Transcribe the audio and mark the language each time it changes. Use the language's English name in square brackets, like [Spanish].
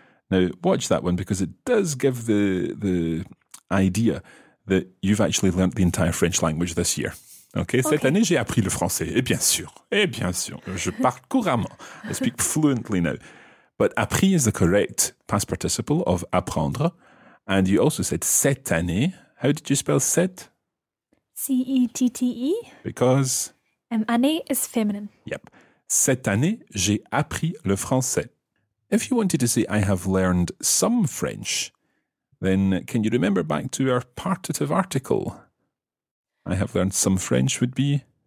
[English] Now, watch that one because it does give the idea that you've actually learned the entire French language this year. [French] Okay, cette année, j'ai appris le français. Et bien sûr. Je parle couramment. [English] I speak fluently now. But appris is the correct past participle of apprendre. And you also said [French] cette année. [English] How did you spell cette? C-E-T-T-E. Because? Année is feminine. Yep. [French] Cette année, j'ai appris le français. [English] If you wanted to say I have learned some French, then can you remember back to our partitive article? I have learned some French would be?